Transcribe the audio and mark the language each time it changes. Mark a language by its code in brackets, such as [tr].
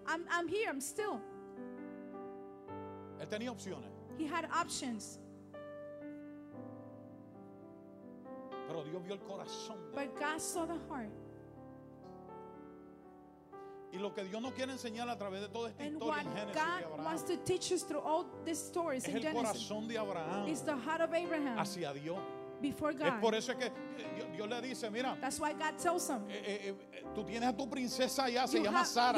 [en] I'm here. I'm still. [es] Él tenía opciones. [en] He had options. [es] Pero Dios vio el corazón. [en] But God saw the heart. [es] Y lo que Dios nos quiere enseñar a través de toda esta [en] and [es] historia en Génesis de Abraham. [en] And what God wants to teach us through all these stories in Genesis. [es] Es el corazón de Abraham. [en] Is the heart of Abraham. [es] Hacia Dios. [en] before God. [es] Es por eso que Dios le dice, mira, [en] that's why God tells him. [es] Tú tienes a tu princesa allá, se llama Sara.